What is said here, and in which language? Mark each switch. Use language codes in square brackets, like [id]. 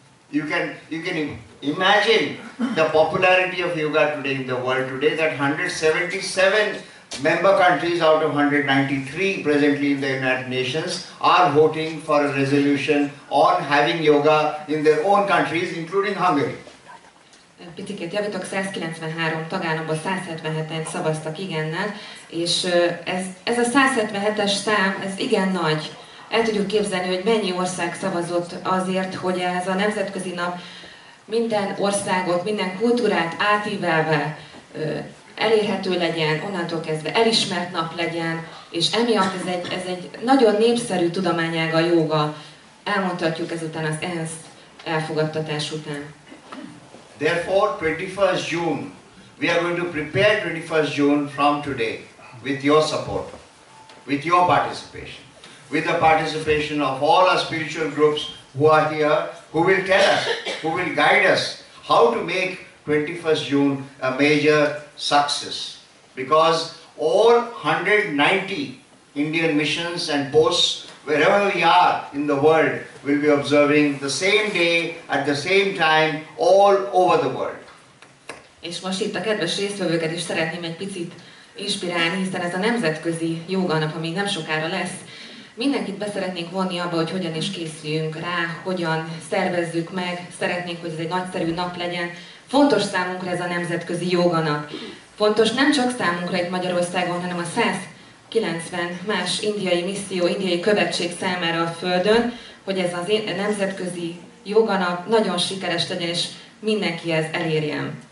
[en] You can imagine the popularity of yoga today in the world today, that 177 member countries out of 193 presently in the United Nations are voting for a resolution on having yoga in their own countries, including Hungary. [hu] Picit javítok, 193 tagállamból 177-en szavaztak igennel, és ez a 177-es szám, ez igen nagy. El tudjuk képzelni, hogy mennyi ország szavazott azért, hogy ez a nemzetközi nap minden országot, minden kultúrát átívelve elérhető legyen, onnantól kezdve elismert nap legyen, és emiatt ez egy nagyon népszerű tudományág a jóga. Elmondhatjuk ezután az ENSZ elfogadtatás után. [en] Therefore, 21st June, we are going to prepare 21st June from today with your support, with your participation, with the participation of all our spiritual groups who are here, who will tell us, who will guide us how to make 21st June a major success. Because all 190 Indian missions and posts, wherever we are in the world, will be observing the same day, at the same time, all over the world. [hu] És most itt a kedves résztvevőket is szeretném egy picit inspirálni, hiszen ez a nemzetközi jóga nap, ami nem sokára lesz, mindenkit beszeretnénk vonni abba, hogy hogyan is készüljünk rá, hogyan szervezzük meg, szeretnénk, hogy ez egy nagyszerű nap legyen. Fontos számunkra ez a nemzetközi jóganap. Fontos nem csak számunkra itt Magyarországon, hanem a 190 más indiai misszió, indiai követség számára a Földön, hogy ez a nemzetközi jóganap nagyon sikeres legyen, és mindenkihez elérjen.